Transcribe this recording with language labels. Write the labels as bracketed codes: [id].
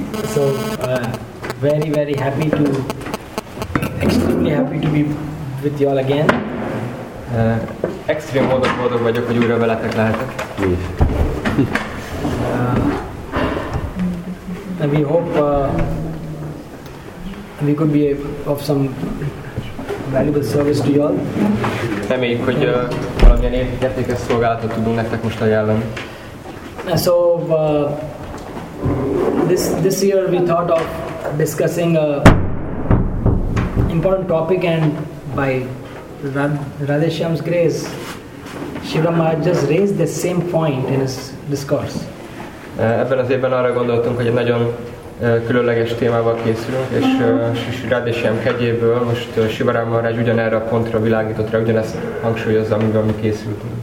[en] So, very, very happy to, extremely happy to be with you all again. [hu] Extrém boldog vagyok, hogy újra veletek lehetek. [en] And we hope we could be of some valuable service to you all. [hu] Reméljük, hogy valamilyen értékes szolgálatot tudunk nektek most ajánlani. [en] So this year we thought of discussing a important topic, and by Radhesham's grace, Shivram Maharaj just raised the same point in his discourse. [hu] Ebben az évben arra gondoltunk, hogy egy nagyon különleges témával készülünk, és Radhesham kegyéből most Shivram Maharaj ugyanerre a pontra világított rá, ugyanezt hangsúlyozza, amivel mi készültünk.